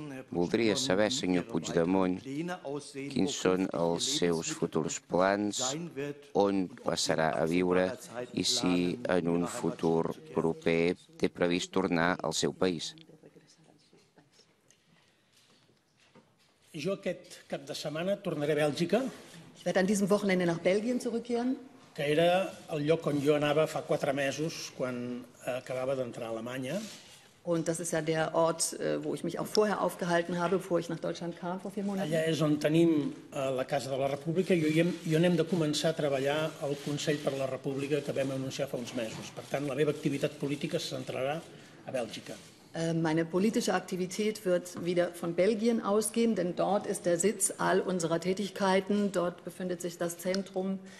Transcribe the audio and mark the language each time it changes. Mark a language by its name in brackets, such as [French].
[Catalan] Voldria saber, senyor Puigdemont, quins són els seus futurs plans, on passarà a viure i si en un futur proper té previst tornar al seu país. Jo aquest cap de setmana tornaré a Bèlgica. [German] Ich werde an diesem Wochenende nach Belgien zurückkehren. [Catalan] Que era el lloc on jo anava fa 4 mesos quan acabava d'entrar a Alemanya. [German] Und das ist ja der Ort, wo ich mich auch vorher aufgehalten habe, bevor ich nach Deutschland kam vor 4 Monaten. [Catalan] Allà és on tenim la Casa de la República i on hem de començar a treballar el Consell per la República que vam anunciar fa uns mesos. Per tant, la meva activitat política se centrarà a Bèlgica. [German] Meine politische Aktivität wird wieder von Belgien ausgehen, denn dort ist der Sitz all unserer Tätigkeiten, dort befindet sich das Zentrum.